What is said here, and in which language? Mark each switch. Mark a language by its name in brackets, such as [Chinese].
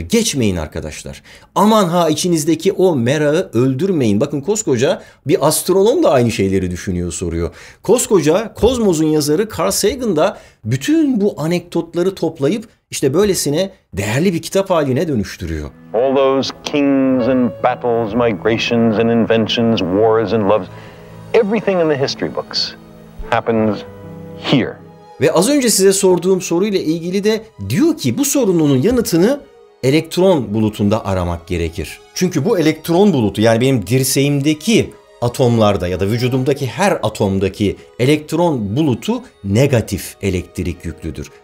[Turkish] Geçmeyin arkadaşlar. Aman ha içinizdeki o merakı öldürmeyin. Bakın koskoca bir astronom da aynı şeyleri düşünüyor, soruyor. Koskoca Kozmos'un yazarı Carl Sagan da bütün bu anekdotları toplayıp İşte böylesine değerli bir kitap haline dönüştürüyor. [English] All those kings and battles, migrations and inventions, wars and loves, everything in the history books happens here. [Turkish] Ve az önce size sorduğum soruyla ilgili de diyor ki bu sorunun yanıtını elektron bulutunda aramak gerekir. Çünkü bu elektron bulutu, yani benim dirseğimdeki atomlarda ya da vücudumdaki her atomdaki elektron bulutu negatif elektrik yüklüdür.